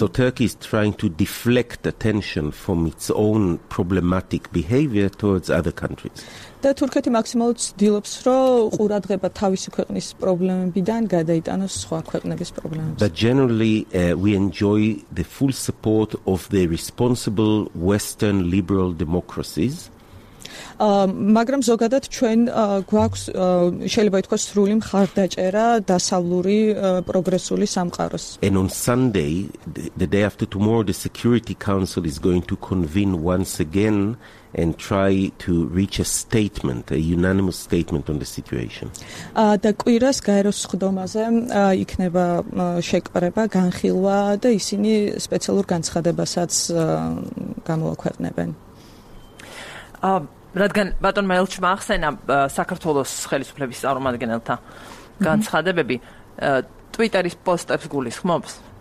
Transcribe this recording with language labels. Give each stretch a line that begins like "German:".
English: So Turkey is trying to deflect attention from its own problematic behavior towards other countries.
Georgian: და თურქეთი მაქსიმალურად ცდილობს, რომ ყურადღება თავისი ქვეყნის პრობლემებიდან გადაიტანოს სხვა ქვეყნების პრობლემებს.
English: But generally we enjoy the full support of the responsible western liberal democracies.
Georgian: მაგრამ ზოგადად ჩვენ გვაქვს შეიძლება ითქვას სრული მხარდაჭერა დასავლური პროგრესული სამყაროს.
English: And on Sunday, the day after tomorrow, the Security Council is going to convene once again and try to reach a statement, a unanimous statement on the situation.
Georgian: და კვირას გაეროს ხდომაზე იქნება შეკრება, განხილვა და ისინი სპეციალურ განცხადებასაც გამოაქვეყნებენ. რადგან ბატონ მელჩმა ახსენა საქართველოს ხელისუფლების წარმომადგენელთა განცხადებები, ტვიტერის პოსტებს გულისხმობს.